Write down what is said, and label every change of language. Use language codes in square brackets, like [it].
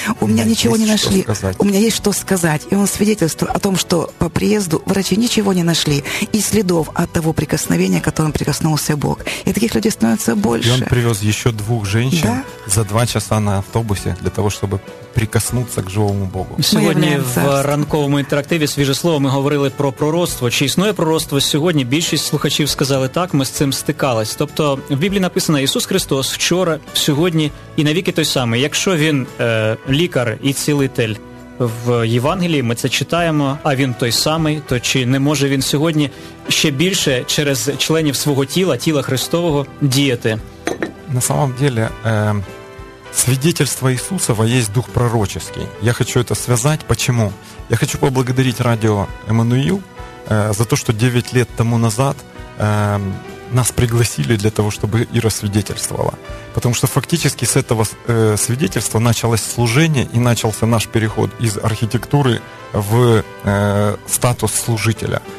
[ru] У меня ничего не нашли. Сказать. У меня есть что сказать. И он свидетельствует о том, что по приезду врачи ничего не нашли. И следов от того прикосновения, к которому прикоснулся Бог. И таких людей становится больше. И он привез еще двух женщин, да? За 2 часа на автобусе для того, чтобы прикоснуться к живому Богу. [uk] В ранковому інтерактиві «Свіже слово» ми говорили про пророцтво. Чи існує пророцтво сьогодні? Більшість слухачів сказали так, ми з цим стикались. Тобто в Біблії написано: Ісус Христос вчора, сьогодні і навіки той самий. Якщо Він лікар і цілитель в Євангелії, ми це читаємо, а Він той самий, то чи не може Він сьогодні ще більше через членів свого тіла Христового, діяти? [ru] На самом деле... Свидетельство Иисусова есть дух пророческий. Я хочу это связать. Почему? Я хочу поблагодарить радио «Эммануил» за то, что 9 лет тому назад нас пригласили для того, чтобы Ира свидетельствовала. Потому что фактически с этого свидетельства началось служение и начался наш переход из архитектуры в статус служителя.